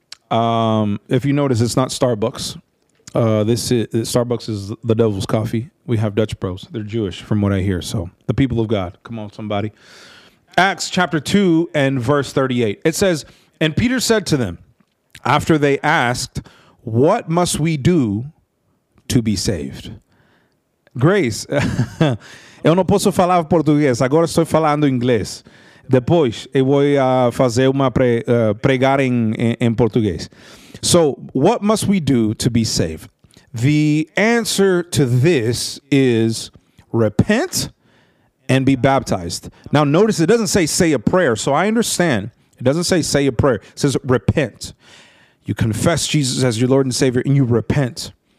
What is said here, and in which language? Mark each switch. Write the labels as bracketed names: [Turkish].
[English] If you notice, it's not Starbucks. Starbucks is the devil's coffee. We have Dutch Bros. They're Jewish from what I hear. So the people of God, come on, somebody. Acts chapter 2 and verse 38. It says, and Peter said to them, after they asked, what must we do to be saved? Grace. [Portuguese] Eu não posso falar português. Agora estou falando inglês. Depois eu vou fazer uma pregar em português. [English] So what must we do to be saved? The answer to this is repent and be baptized. Now notice it doesn't say a prayer. So I understand. It doesn't say a prayer. It says repent. You confess Jesus as your Lord and Savior and you repent.